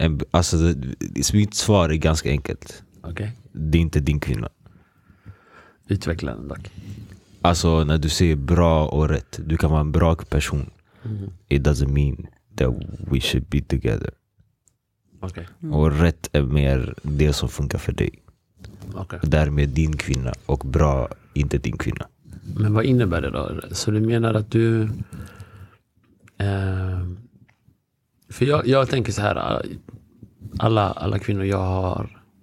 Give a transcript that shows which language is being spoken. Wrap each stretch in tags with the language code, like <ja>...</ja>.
<sv>Alltså, mitt svar är ganska enkelt. Okay. Det är inte din kvinna. Utveckla den dock. Alltså när du säger bra och rätt, du kan vara en bra person.</sv> <en>It doesn't mean that we should be together.</en> <sv>Okay. Och rätt är mer det som funkar för dig. Okay. Därmed din kvinna och bra inte din kvinna. Men vad innebär det då? Så du menar att du... för jag tänker så här. Alla kvinnor jag har</sv>